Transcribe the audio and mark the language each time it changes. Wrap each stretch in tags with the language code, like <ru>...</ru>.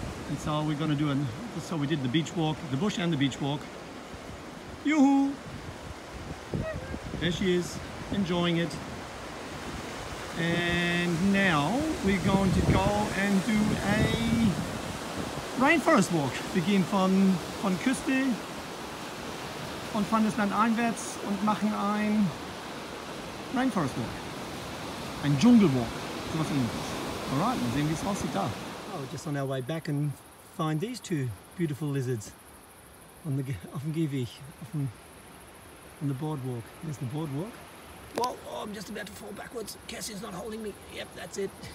<en>And so we're going to do so we did the beach walk, the bush and the beach walk. Yoo-hoo! There she is, enjoying it. And now we're going to go and do a rainforest walk.</en> <de>Begin von Küste und von das Land einwärts und machen ein</de> <en>rainforest walk.</en> <de>Ein Dschungelwalk. So was ähnliches.</de> <en>Alright,</en> <de>mal sehen, wie es aussieht da.</de> <en>Oh, we're just on our way back and find these two beautiful lizards on the Gehweg, on the boardwalk. There's the boardwalk. Whoa, I'm just about to fall backwards. Cassie's not holding me. Yep, that's it.</en>